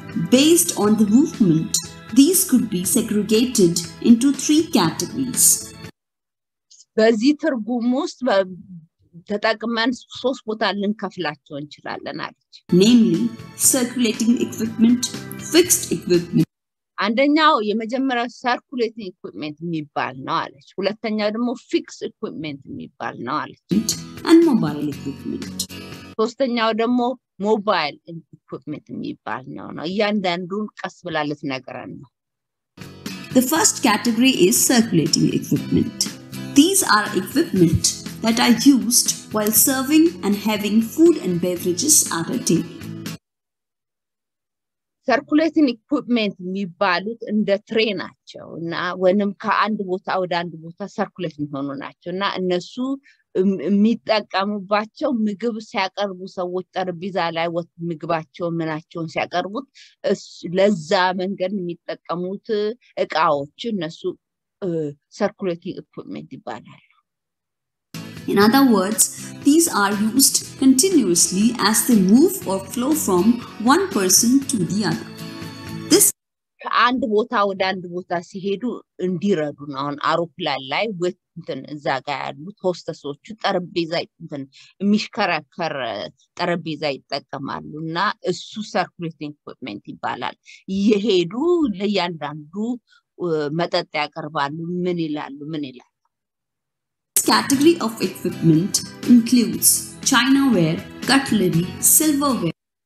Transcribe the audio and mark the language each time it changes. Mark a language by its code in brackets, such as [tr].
[en] Based on the movement, these could be segregated into three categories. [am] በዚህ ትርጉም ውስጥ ተጠቅመን ሶስት ቦታ ልንከፍላቸው እንችላለን አለች። [en] Namely, circulating equipment, fixed equipment. [am] አንደኛው የመጀመሪያው circulating equipment የሚባል ነው አለች። ሁለተኛው ደግሞ fixed equipment የሚባል ነው አለች። [en] and mobile equipment. [am] ሶስተኛው ደግሞ ሞባይል ኢኩዊፕመንት የሚባል ነው። እያንዳንዱን ቀስ ብላለት ነገረን ነው። [en] The first category is circulating equipment. These are equipment that are used while serving and having food and beverages at a table. [am] circulating equipment የሚባሉት እንደ ትሬ ናቸው እና ወይንም ከአንድ ቦታ ወደ አንድ ቦታ ሰርኩሌት የሚሆኑ ናቸው እና እነሱ የሚጠቀሙባቸው ምግብ ሲያቀርቡ ሰዎች ጠረጴዛ ላይ ምግባቸው ምናቸውን ሲያቀርቡት ለዛ መንገድ የሚጠቀሙት እቃዎች እነሱ ሰርኩሌቲንግ ኢኩዊፕመንት ይባላሉ። [en] In other words, these are used continuously as they move or flow from one person to the other. [am] ከአንድ ቦታ ወደ አንድ ቦታ ሲሄዱ እንዲረዱን አሁን አውሮፕላን ላይ እዛ ጋር ያሉት ሆስተሶቹ ጠረጴዛ የሚሽከረከር ጠረጴዛ ይጠቀማሉ እና እሱ ሰርኩሌቲንግ ኢኩዊፕመንት ይባላል። እየሄዱ ለእያንዳንዱ መጠጥ ያቀርባሉ። ምን ይላሉ ምን ይላሉ? [en] This category of equipment includes chinaware, cutlery, silverware.